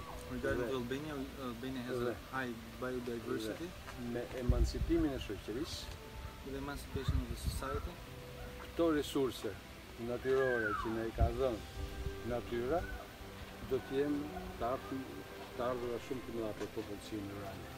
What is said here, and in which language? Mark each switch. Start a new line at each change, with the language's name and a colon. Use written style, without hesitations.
English: Regarding Albania has a high biodiversity.
Albanian: Me emancipimin e shoqërisë,
English: with emancipation of the society,
Albanian: këto resurse natyrore që ne I ka dhënë natyra do të jenë të ardhura shumë të mëdha për popullsinë rurale.